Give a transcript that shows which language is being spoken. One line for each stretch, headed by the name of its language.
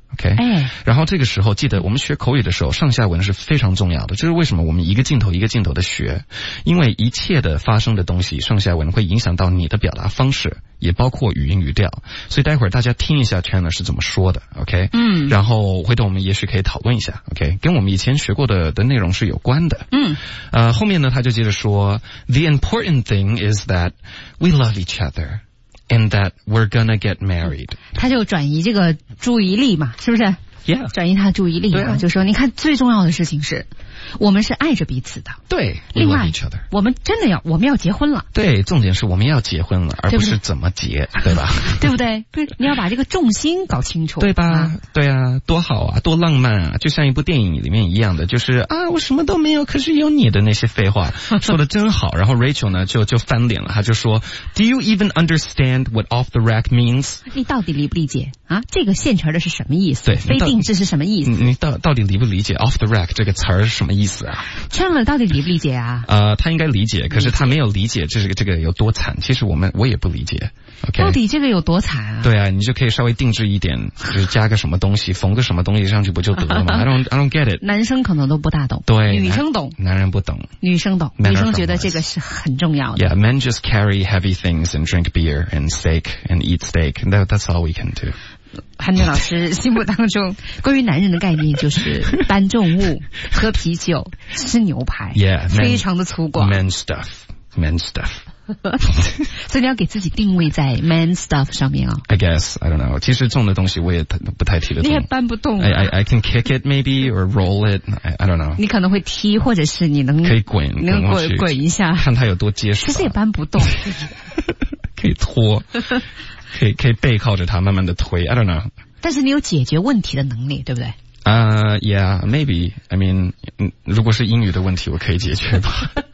Chinese: OK， 哎，然后这个时候记得我们学口语的时候上下文是非常重要的，就是为什么我们一个镜头一个镜头的学，因为一切的发生的东西上下文会影响到你的表达方式，也包括语音语调，所以待会儿大家听一下 Chandler 是怎么说的 OK，嗯，然后回头我们也许可以讨论一下 OK， 跟我们以前学过的内容是有关的，嗯，后面呢他就接着说
English: The important thing is that we love each otherAnd that we're gonna get married.
Chinese: 他就转移这个注意力嘛，是不是？
English: Yeah.
Chinese: 转移他的注意力嘛，啊，就说你看最重要的事情是我们是爱着彼此的。对。另外
English: we love each other.
Chinese: 我们真的要我们要结婚了。对，重点是我们要结婚了，而不是怎么结，对吧？对不对？你要把这个重心搞清楚。对吧，对啊，多好啊，多浪漫啊，就像一部电影里面一样的，就是啊我什么都没有可是有你的那些废话说得真好。然后 Rachel 呢就翻脸了，他就说
English: Do you even understand what off the rack means?
Chinese: 你到底理不理解啊这个现成的是什么意思？对，非定制是什么意思？你到底理不理解
English: off the rack
Chinese: 这个词儿是什么意思啊？ Chandler 到底理不理解啊？他应该理解，可是他没有理解这个有多惨。其实我也不理解。OK，到底这个有多惨啊？对啊，你就可以稍微定制一点，就是加个什么东西，缝个什么东西上去不就得了吗？
English: I don't get it。
Chinese: 男生可能都不大懂，对，女生懂，男人不懂，女生懂，女生觉得这个是很重要的。
English: Yeah， men just carry heavy things and drink beer and steak and eat steak. That's all we can do.
Chinese: 韩俊老师心目当中关于男人的概念就是搬重物喝啤酒吃牛排
English: yeah, men,
Chinese: 非常的粗犷
English: Men stuff
Chinese: 所以你要给自己定位在 man stuff 上面啊、哦。
English: I guess I don't know
Chinese: 其实重的东西我也不太提得动你也搬不动、
English: 啊、I can kick it maybe or roll it I don't know
Chinese: 你可能会踢或者是你能可以滚能 滚一下看它有多结实其实也搬不动可以拖可以背靠着他慢慢的推
English: I don't know
Chinese: 但是你有解决问题的能力对不对
English: yeah maybe I mean
Chinese: 如果是英语的问题我可以解决吧